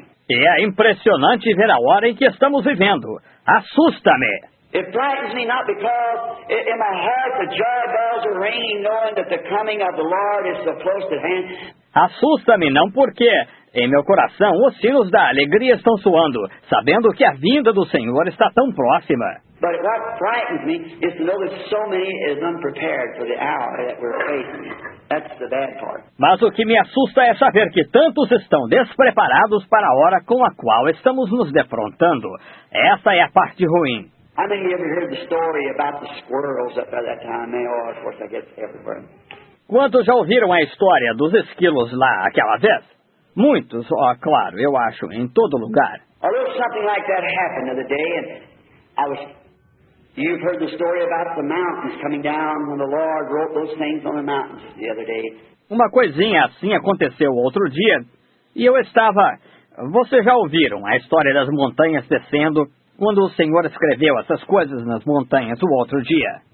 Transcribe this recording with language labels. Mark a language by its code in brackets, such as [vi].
[pt] E é impressionante ver a hora em que estamos vivendo. Assusta-me. [en] It frightens me not because in my heart the joy bells are ringing, knowing that the coming of the Lord is so close at hand. [pt] Assusta-me não porque em meu coração os sinos da alegria estão soando, sabendo que a vinda do Senhor está tão próxima. [en] But what frightens me is to know that so many is unprepared for the hour that we're facing. That's the bad part. [pt] Mas o que me assusta é saber que tantos estão despreparados para a hora com a qual estamos nos defrontando. Essa é a parte ruim. [en] How many of you heard the story about the squirrels up by that time? Oh, of course, I guess everyone. [pt] Quantos já ouviram a história dos esquilos lá aquela vez? Muitos, ó, claro, eu acho, em todo lugar. [en] A little something like that happened the other day, and I was. You've heard the story about the mountains coming down when the Lord wrote those things on the mountains the other day. [pt] Uma coisinha assim aconteceu outro dia, e eu estava. Vocês já ouviram a história das montanhas descendo? Quando o Senhor escreveu essas coisas nas montanhas o outro dia.